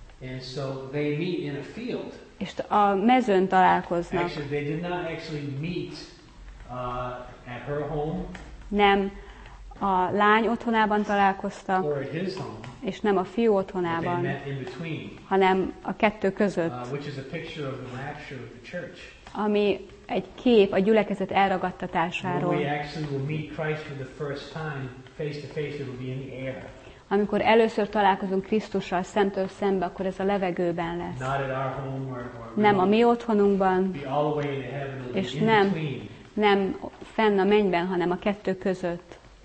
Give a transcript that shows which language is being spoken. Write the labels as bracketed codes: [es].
[en] And so they meet in a field. [hu] És a mezőn találkoznak. [en] Actually, they did not actually meet, at her home. [hu] Nem a lány otthonában találkozta, [en] or at his home, [hu] és nem a fiú otthonában, [en] they met in between, [hu] hanem a kettő között. [en] Which is a picture of the rapture of the church. [hu] Ami egy kép a gyülekezet elragadtatásáról. [en] When we actually will meet Christ for the first time, face to face, it will be in the air. [hu] Amikor először találkozunk Krisztussal szemtől szembe, akkor ez a levegőben lesz. [en] Not at our home or [hu] nem a mi otthonunkban, és nem, nem fenn a mennyben, hanem a kettő között.